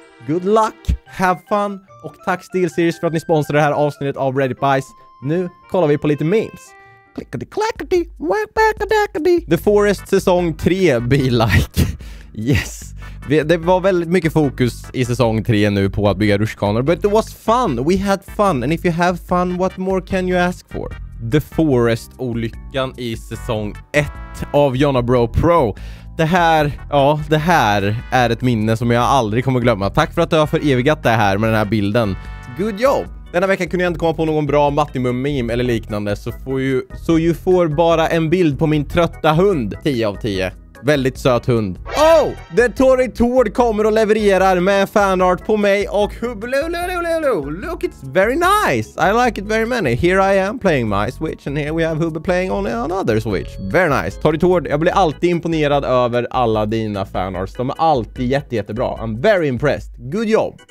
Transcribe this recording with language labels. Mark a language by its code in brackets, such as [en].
[en] Good luck, have fun [sv] och tack SteelSeries för att ni sponsrar det här avsnittet av Reddit Bites. Nu kollar vi på lite memes. Clickety clackety, whack backadackety. [en] The Forest säsong 3 be like. Yes. [sv] Det var väldigt mycket fokus i säsong 3 nu på att bygga rutschkanor, [en] but it was fun. We had fun and if you have fun, what more can you ask for? [sv] The Forest-olyckan i säsong 1 av Jonna Bro Pro. Det här, ja, det här är ett minne som jag aldrig kommer glömma. Tack för att du har förevigat det här med den här bilden. [en] Good job! [sv] Denna vecka kunde jag inte komma på någon bra Mattimum-meme eller liknande. Så du får bara en bild på min trötta hund. 10 av 10. Väldigt söt hund. Oh! The Tory Tord kommer och levererar med fanart på mig. [en] Och look, it's very nice. I like it very many. Here I am playing my Switch. And here we have Hubbe playing on another Switch. Very nice. [sv] Tory Tord, jag blir alltid imponerad över alla dina fanarts. De är alltid jättebra. [en] I'm very impressed. Good job.